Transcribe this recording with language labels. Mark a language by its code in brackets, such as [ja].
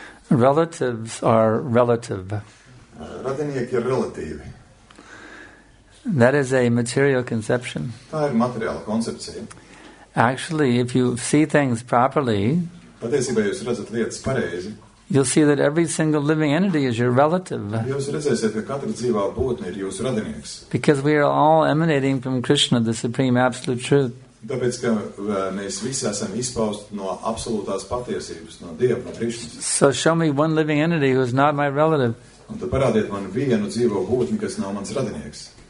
[en] Relatives are relative. [lv] Radinieki ir relatīvi. [en] That is a material conception. [lv] Tā ir materiāla koncepcija. [en] Actually, if you see things properly, [lv] patiesībā jūs redzat lietas pareizi, [en] you'll see that every single living entity is your relative. [lv] Jūs redzēsiet, ka katra dzīvā būtne ir jūsu radinieks. [en] Because we are all emanating from Krishna, the Supreme Absolute Truth. [lv] Tāpēc, ka mēs visi esam izpausti no absolūtās patiesības, no Dieva, no Krišnas. [en] So show me one living entity who is not my relative. [lv] Un tad parādiet man vienu dzīvo būtni, kas nav mans radinieks.